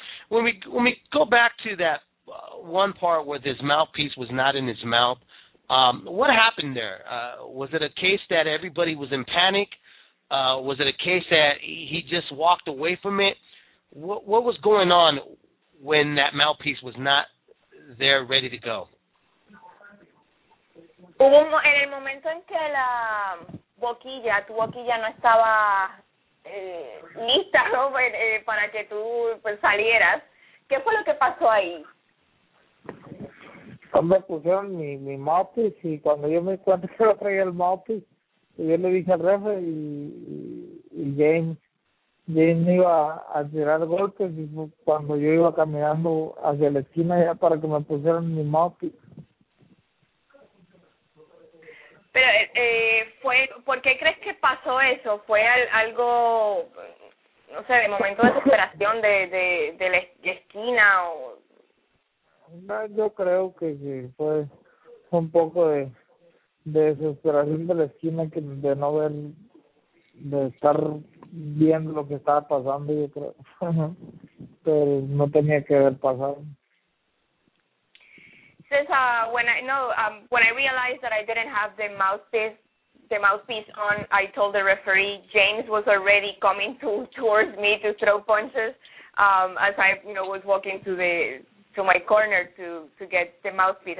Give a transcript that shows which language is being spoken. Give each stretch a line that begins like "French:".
English: When we go back to that one part where his mouthpiece was not in his mouth, what happened there? Was it a case that everybody was in panic? Was it a case that he just walked away from it? What was going on when that mouthpiece was not there ready to go?
Spanish: En el momento en que la tu boquilla no estaba lista, ¿no?, para que tú pues salieras, ¿qué fue lo que pasó ahí? Me pusieron mi mouthpiece y cuando yo me encuentro que lo traía el mouthpiece, yo le dije al ref y James iba a tirar golpes, y cuando yo iba caminando hacia la esquina ya para que me pusieran mi mouthpiece. Pero fue, ¿por qué crees que pasó eso? ¿Fue algo, no sé, de momento de superación de la esquina o...? No, yo creo que sí, fue un poco de desesperación de la esquina, que de no ver, de estar viendo lo que estaba pasando, yo creo. Pero no tenía que haber pasado.
English: Since when I realized that I didn't have the mouthpiece, the mouthpiece on, I told the referee, James was already coming towards me to throw punches as I, you know, was walking to my corner to get the mouthpiece.